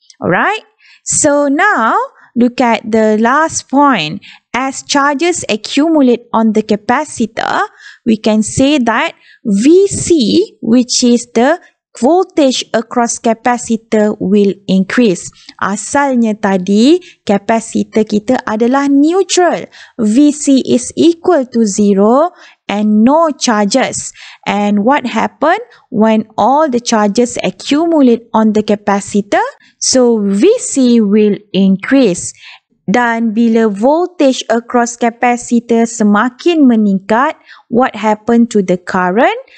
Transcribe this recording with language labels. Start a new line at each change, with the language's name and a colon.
English: Alright, so now look at the last point. As charges accumulate on the capacitor, we can say that VC, which is the voltage across capacitor, will increase.
Malay: Asalnya tadi, capacitor kita adalah neutral.
English: VC is equal to zero and no charges. And what happened when all the charges accumulate on the capacitor? So VC will increase.
Malay: Dan bila
English: voltage across capacitor
Malay: semakin meningkat,
English: what happened to the current?